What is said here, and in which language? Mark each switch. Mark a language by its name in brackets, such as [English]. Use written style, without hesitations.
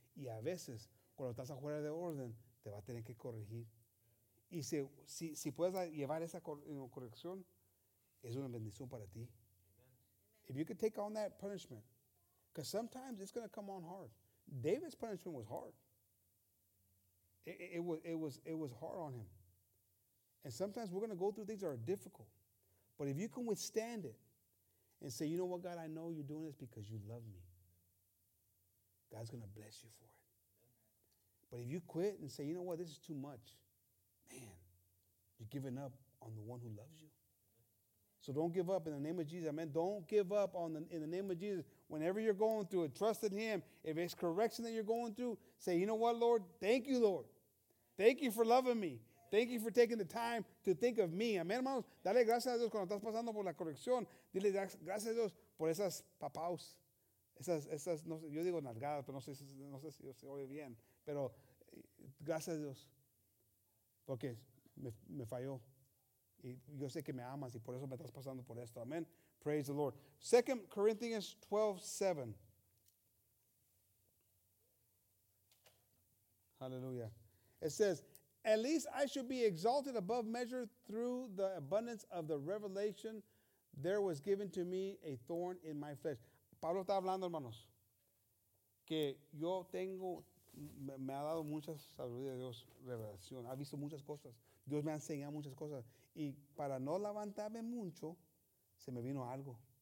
[Spanish] Y a veces, cuando estás afuera de orden, te va a tener que corregir. Y si puedes llevar esa corrección, es una bendición para ti. Amen. [English] If you could take on that punishment, because sometimes it's going to come on hard. David's punishment was hard. It was hard on him. And sometimes we're going to go through things that are difficult. But if you can withstand it and say, you know what, God, I know you're doing this because you love me, God's going to bless you for it. But if you quit and say, you know what, this is too much, man, you're giving up on the one who loves you. So don't give up in the name of Jesus, amen. Don't give up in the name of Jesus. Whenever you're going through it, trust in him. If it's correction that you're going through, say, you know what, Lord, thank you, Lord. Thank you for loving me. Thank you for taking the time to think of me. [Spanish] Amen, hermanos. Dale gracias a Dios cuando estás pasando por la corrección. Dile gracias a Dios por esas papaus. Esas no sé, yo digo nalgadas, pero no sé si se oye bien. Pero gracias a Dios, porque me falló. Y yo sé que me amas y por eso me estás pasando por esto. [English] Amen. Praise the Lord. 2 Corinthians 12:7. Hallelujah. It says, at least I should be exalted above measure through the abundance of the revelation. There was given to me a thorn in my flesh. [Spanish] Pablo está hablando, hermanos, que yo tengo... Me ha dado muchas sabidurías de Dios, revelación. Ha visto muchas cosas. Dios me ha enseñado muchas cosas. Y para no levantarme mucho, se me vino algo.